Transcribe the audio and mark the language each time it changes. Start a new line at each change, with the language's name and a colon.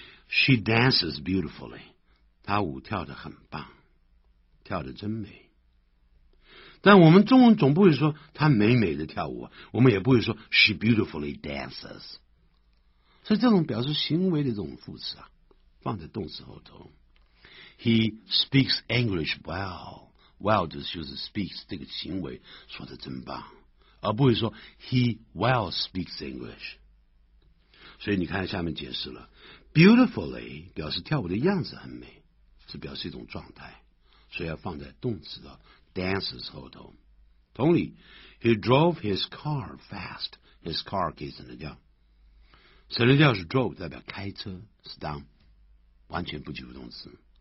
English: She dances beautifully，
Chinese: 她舞跳得很棒，跳得真美。但我们中文总不会说她美美的跳舞，我们也不会说
English: She beautifully dances，
Chinese: 所以这种表示行为的这种副词啊，放在动词后头。
English: He speaks English well， well
Chinese: 就是修饰
English: speaks
Chinese: 这个行为，说得真棒，而不会说
English: He well speaks English。
Chinese: 所以你看下面解释了， beautifully 表示跳舞的样子很美，是表示一种状态，所以要放在动词的 dances 后头。同理，
English: He drove his car fast，
Chinese: his car 可以省略掉，省略掉是 drove 代表开车，是当完全不及物动词。